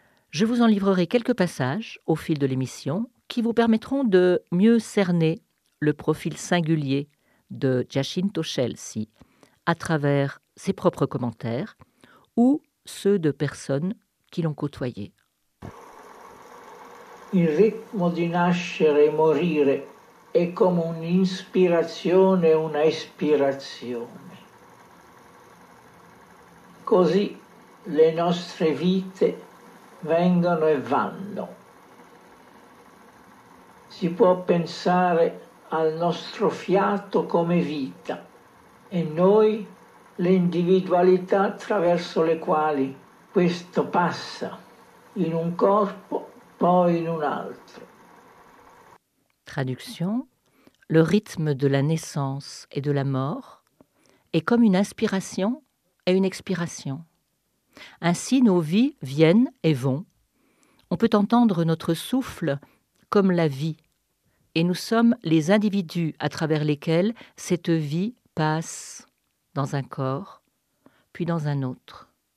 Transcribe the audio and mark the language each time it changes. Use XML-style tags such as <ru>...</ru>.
<fr>Je vous en livrerai quelques passages au fil de l'émission qui vous permettront de mieux cerner le profil singulier de Giacinto Scelsi à travers ses propres commentaires ou ceux de personnes qui l'ont côtoyé.</fr> <it>Il ritmo di nascere e morire è come un'inspirazione e una espirazione. Così le nostre vite vengono e vanno. Si può pensare al nostro fiato come vita e noi le individualità attraverso le quali questo passa in un corpo poi in un altro.</it> <fr>Traduction: le rythme de la naissance et de la mort est comme une inspiration et une expiration. Ainsi nos vies viennent et vont. On peut entendre notre souffle comme la vie et nous sommes les individus à travers lesquels cette vie passe dans un corps, puis dans un autre.</fr>